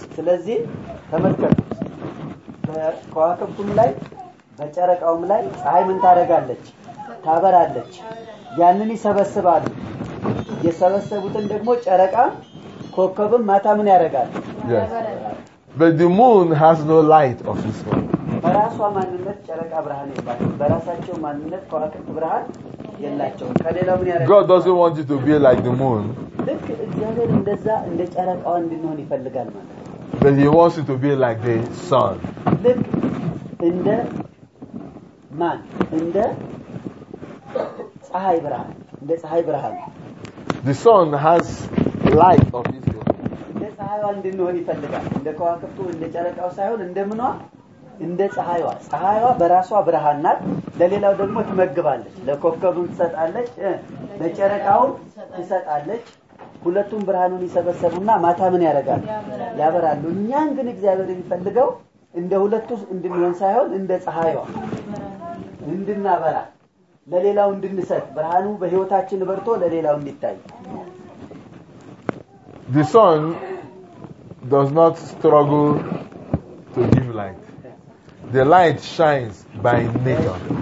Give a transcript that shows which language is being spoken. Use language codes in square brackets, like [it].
[am] ስለዚህ ተመልከቱ በከዋክብቱም ላይ በጨረቃውም ላይ ፀሐይ ምን ታደርጋለች? ታበራለች። ያንን ይሰበስባሉ። የሰበሰቡትን ደግሞ ጨረቃ ኮከብም ማታ ምን ያደርጋል? [en] But the moon has no light of its own. [am] በራሷ ማንነት ጨረቃ ብርሃን የላትም። በራሳቸው ማንነት ከዋክብት ብርሃን የላቸውም። ከሌላው ምን ያደርጋል? [en] God doesn't want you to be like the moon. [am] ልክ እግዚአብሔር እንደዛ እንደ ጨረቃው እንድንሆን ይፈልጋል ማለት ነው። [en] But he wants you to be like the sun. [am] ልክ እንደ ማን እንደ ፀሐይ ብርሃን እንደ ፀሐይ ብርሃን [en] the sun has light of his own. [am] እንደ ፀሐይዋ እንድንሆን ይፈልጋል። እንደ ከዋክብቱ እንደ ጨረቃው ሳይሆን እንደምንዋ እንደ ፀሐይዋ። ፀሐይዋ በራሷ ብርሃን ናት። ለሌላው ደግሞ ትመግባለች። ለኮከቡም ትሰጣለች፣ ለጨረቃውም ትሰጣለች። ሁለቱም ብርሃኑን ይሰበስቡና ማታ ምን ያደርጋሉ? ያበራሉ። እኛን ግን እግዚአብሔር የሚፈልገው እንደ ሁለቱ እንድንሆን ሳይሆን እንደ ፀሐይዋ እንድናበራ ለሌላው እንድንሰጥ ብርሃኑ በህይወታችን በርቶ ለሌላው እንዲታይ። [en] The sun does not struggle to give light. The light shines by nature.